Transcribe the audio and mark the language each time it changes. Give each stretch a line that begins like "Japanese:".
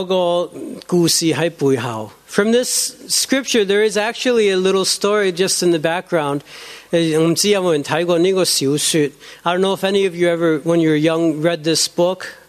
Chinese: 在这一节经文有个故事在背后。
English: From this scripture, there is actually a little story just in the background.
Chinese: 不知道有没有人看过这个小说。
English: I don't know if any of you ever, when you were young, read this book.